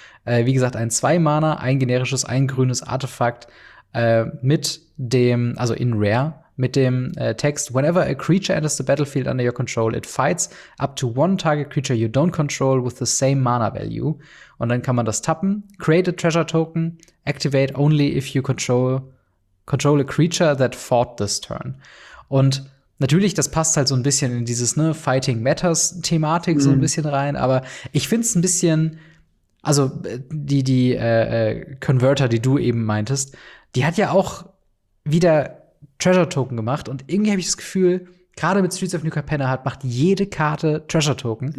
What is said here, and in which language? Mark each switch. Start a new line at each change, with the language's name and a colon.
German: Wie gesagt, ein 2-Mana, ein generisches, ein grünes Artefakt mit dem, also in Rare, mit dem Text,
English: whenever a creature enters the battlefield under your control, it fights up to one target creature you don't control with the same mana value.
German: Und dann kann man das tappen.
English: Create a treasure token. Activate only if you control a creature that fought this turn.
German: Und natürlich, das passt halt so ein bisschen in dieses Fighting Matters Thematik so ein bisschen rein. Aber ich find's ein bisschen, also die Converter, die du eben meintest, die hat ja auch wieder Treasure Token gemacht und irgendwie habe ich das Gefühl, gerade mit Streets of New Capenna macht jede Karte Treasure Token.